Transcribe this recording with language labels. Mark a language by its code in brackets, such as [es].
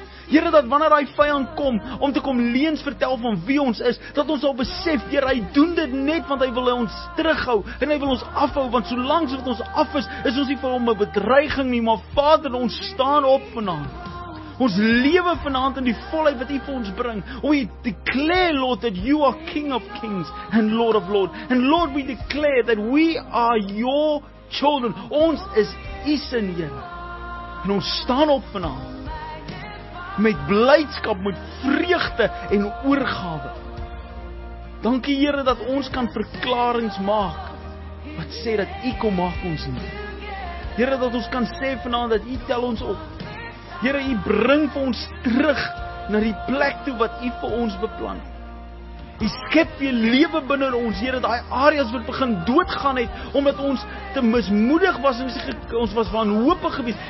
[af] Here, dat wanneer daai vyand kom om te kom leuns vertel van wie ons is, dat ons al besef, Here, hy doen dit net want hy wil ons terughou en hy wil ons afhou, want solank as ons af is, is ons nie vir hom 'n bedreiging nie, maar Vader, ons staan op vanaand. Ons lewe vanaand in die volheid wat U vir ons bring. [en] We declare, Lord, that You are King of Kings and Lord of Lords. And Lord, we declare that we are Your children. [af] Ons is U se kinders. En ons staan op vanaand met blydskap, met vreugde en oorgawe. Dankie Here dat ons kan verklaringe maak wat sê dat U kom maak ons nie. Here, dat ons kan sê vanaand dat U tel ons op. Here, U bring vir ons terug na die plek toe wat U vir ons beplan het. U skep weer lewe binne in ons, Here, daai areas wat begin doodgaan het omdat ons te mismoedig was en ons was wanhoopig geweest.